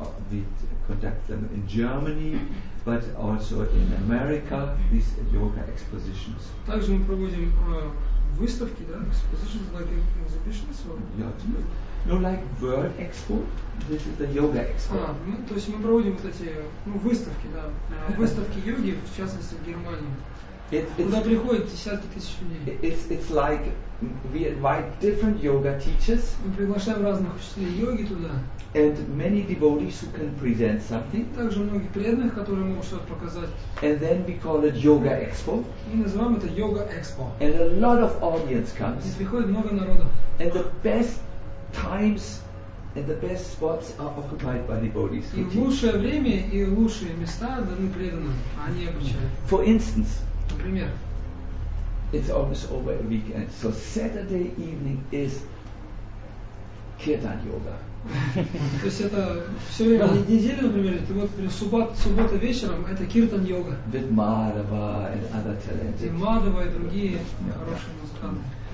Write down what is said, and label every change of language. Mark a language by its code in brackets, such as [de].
[en] We conduct them in Germany, but also in America, these yoga expositions. [ru] Также мы проводим выставки, да, [en] expositions, like exhibitions. No, like World Expo. This is the yoga expo. [ru] То есть мы проводим вот эти выставки, да, выставки йоги, в частности в Германии. Туда приходят десятки тысяч людей. [en] It's like we invite different yoga teachers. [ru] Мы приглашаем разных учителей йоги туда. [en] And many devotees who can present something. [ru] Также многих преданных, которые могут что-то показать. [en] And then we call it yoga expo. [ru] И называем это yoga expo. [en] And a lot of audience comes. [ru] Здесь приходит много народа. [en] And the best times and the best spots are occupied by devotees. [ru] И лучшее время и лучшие места даны преданным, а не обычным. [en] For instance. [ru] Например. [en] It's almost over a weekend, so Saturday evening is kirtan yoga. [ru] То есть это все время на неделе, например, ты вот суббота вечером это киртан йога. [en] With Madhava and other talented. [ru] И Madhava и другие хорошие музыканты.